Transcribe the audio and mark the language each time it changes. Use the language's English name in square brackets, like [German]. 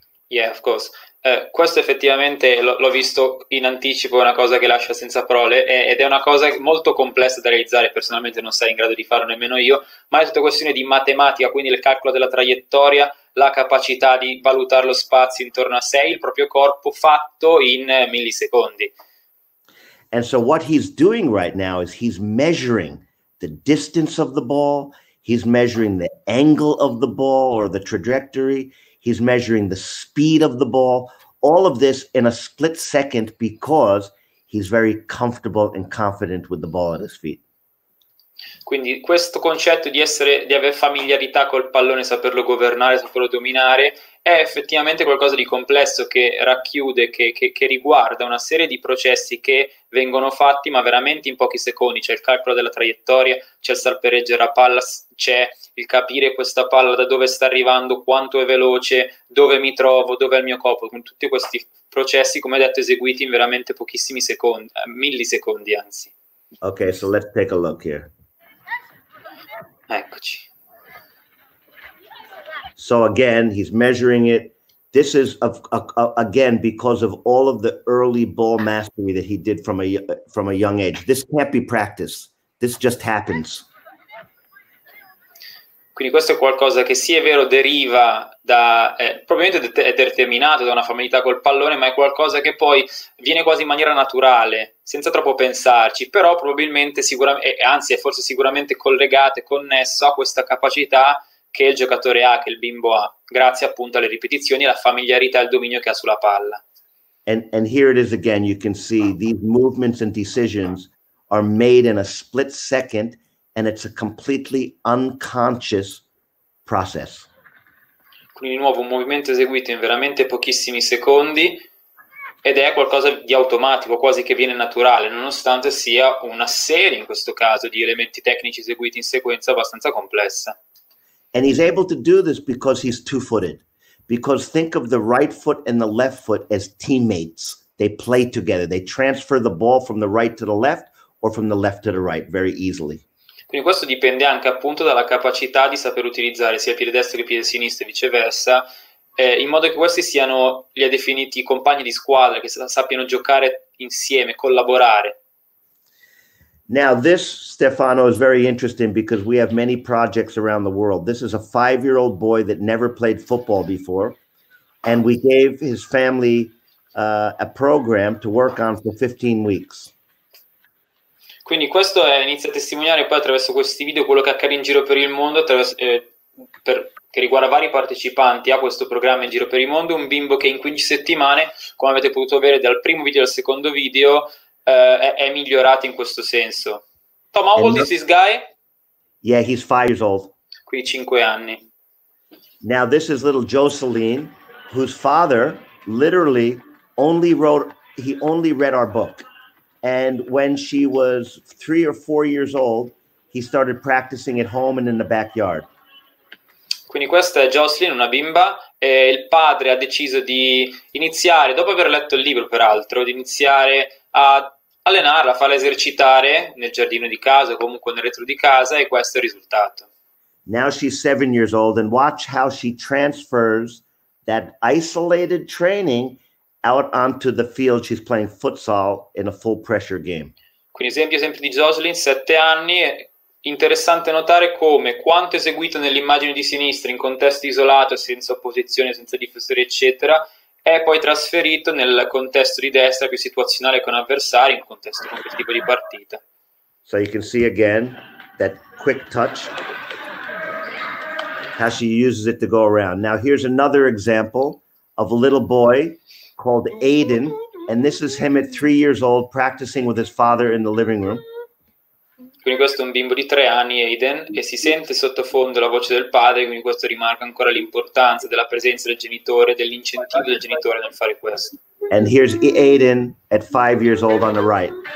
[English] Yeah, of course. [Italian] Questo effettivamente l'ho visto in anticipo, è una cosa che lascia senza parole, ed è una cosa molto complessa da realizzare, personalmente non sarei in grado di farlo nemmeno io, ma è tutta questione di matematica, quindi il calcolo della traiettoria, la capacità di valutare lo spazio intorno a sé, il proprio corpo fatto in millisecondi. [English] And so what he's doing right now is he's measuring the distance of the ball, he's measuring the angle of the ball or the trajectory, he's measuring the speed of the ball, all of this in a split second because he's very comfortable and confident with the ball at his feet. [Italian] Quindi questo concetto di avere familiarità col pallone, saperlo governare, saperlo dominare, è effettivamente qualcosa di complesso che racchiude, che riguarda una serie di processi che vengono fatti, ma veramente in pochi secondi. C'è il calcolo della traiettoria, c'è il serpeggiare la palla, c'è il capire questa palla da dove sta arrivando, quanto è veloce, dove mi trovo, dove è il mio corpo, con tutti questi processi, come detto, eseguiti in veramente pochissimi secondi, millisecondi anzi. [English] Okay, so let's take a look here. [Italian] Eccoci. [English] So again, he's measuring it. This is again because of all of the early ball mastery that he did from a young age. This can't be practice. This just happens. [Italian] Quindi questo è qualcosa che sì, è vero, deriva da, probabilmente è determinato da una familiarità col pallone, ma è qualcosa che poi viene quasi in maniera naturale, senza troppo pensarci, però probabilmente, anzi è forse sicuramente collegato e connesso a questa capacità che il giocatore ha, che il bimbo ha, grazie appunto alle ripetizioni, alla familiarità e al dominio che ha sulla palla. [English] And here it is again, you can see these movements and decisions are made in a split second, and it's a completely unconscious process. [Italian] Quindi di nuovo un movimento eseguito in veramente pochissimi secondi ed è qualcosa di automatico, quasi che viene naturale, nonostante sia una serie in questo caso di elementi tecnici eseguiti in sequenza abbastanza complessa. [English] And he's able to do this because he's two-footed. Because think of the right foot and the left foot as teammates. They play together. They transfer the ball from the right to the left or from the left to the right very easily. [Italian] Quindi questo dipende anche appunto dalla capacità di saper utilizzare sia il piede destro che il piede sinistro e viceversa, in modo che questi siano, li ha definiti, compagni di squadra, che sappiano giocare insieme, collaborare. [English] Now this, Stefano, is very interesting because we have many projects around the world. This is a 5-year-old boy that never played football before, and we gave his family a program to work on for 15 weeks. [Italian] Quindi questo inizia a testimoniare poi attraverso questi video quello che accade in giro per il mondo, che riguarda vari partecipanti a questo programma in giro per il mondo, un bimbo che in 15 settimane, come avete potuto vedere dal primo video al secondo video, è migliorato in questo senso. [English] Tom, how old is this guy? Yeah, he's 5 years old. [Italian] Quindi 5 anni. [English] Now this is little Jocelyn, whose father literally only read our book. And when she was 3 or 4 years old, he started practicing at home and in the backyard. [Italian] Quindi questa è Jocelyn, una bimba, e il padre ha deciso di iniziare, dopo aver letto il libro peraltro, di iniziare a allenarla, a farla esercitare nel giardino di casa, comunque nel retro di casa, e questo è il risultato. [English] Now she's 7 years old, and watch how she transfers that isolated training out onto the field. She's playing futsal in a full pressure game. [Italian] Quindi esempio di Jocelyn, 7 anni, è interessante notare come quanto eseguito nell'immagine di sinistra in contesto isolato, senza opposizione, senza difensori, eccetera, è poi trasferito nel contesto di destra, più situazionale con avversari, in contesto con quel tipo di partita. [English] So you can see again that quick touch, how she uses it to go around. Now here's another example of a little boy called Aiden, and this is him at 3 years old practicing with his father in the living room. [Italian] Quindi questo è un bimbo di 3 anni, Aiden, e si sente sottofondo la voce del padre, quindi questo rimarca ancora l'importanza della presenza del genitore, dell'incentivo del genitore nel fare questo. [English] And here's Aiden at 5 years old on the right.